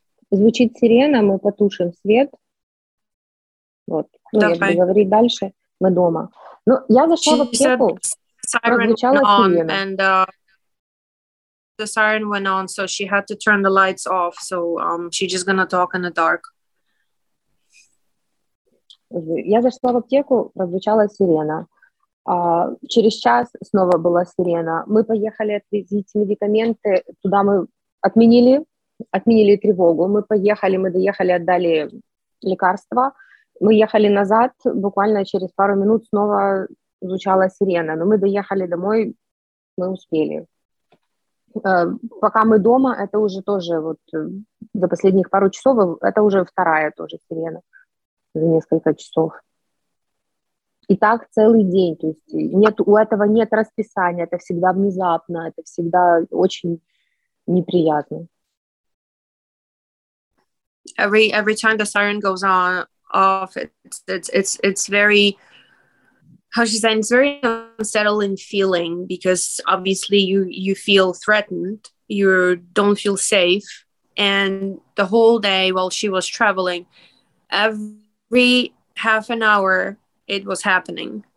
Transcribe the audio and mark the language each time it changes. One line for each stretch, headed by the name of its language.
Russian: Звучит сирена, мы потушим свет. Вот. Ну, я буду говорить дальше. Мы дома. Ну, я зашла в аптеку, прозвучала сирена.
English: And the siren went on, so she had to turn the lights off, so she just gonna talk in the dark.
Russian: Я зашла в аптеку, прозвучала сирена. Через час снова была сирена. Мы поехали отвезти медикаменты, туда мы отменили тревогу. Мы поехали, мы доехали, отдали лекарства. Мы ехали назад, буквально через пару минут снова звучала сирена. Но мы доехали домой, мы успели. Пока мы дома, это уже тоже вот за последних пару часов, это уже вторая тоже сирена за несколько часов. И так целый день. То есть нет, у этого нет расписания, это всегда внезапно, это всегда очень неприятно.
English: Every time the siren goes on off, it's very, how she said, it's very unsettling feeling, because obviously you feel threatened, you don't feel safe. And the whole day while she was traveling, every half an hour it was happening.